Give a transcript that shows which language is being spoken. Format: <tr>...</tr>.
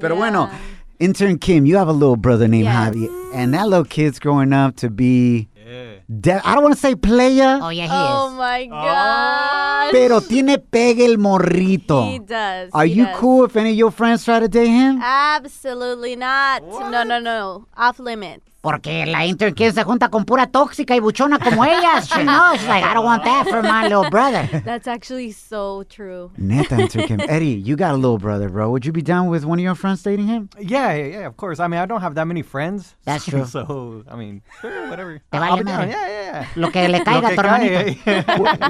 <en>But bueno, intern Kim, you have a little brother named Javi. And that little kid's growing up to be... I don't want to say playa. Oh, yeah, he is. Oh, my gosh.</en> <es>Pero tiene pegue el morrito.</es> <en>He does. Are you cool if any of your friends try to date him? Absolutely not. What? No. Off limits.</en> <es>Porque la intern Kim se junta con pura tóxica y buchona como ellas.</es> <en>She knows. She's like, I don't want that for my little brother. That's actually so true. Neta, intern Kim. Eddie, you got a little brother, bro. Would you be down with one of your friends dating him? Yeah, of course. I mean, I don't have that many friends. That's true. So, I mean, whatever.</en> <es>Te vale</es> <en>I'll be down. Yeah.</en> <es>Lo que le caiga a tu hermanito.</es>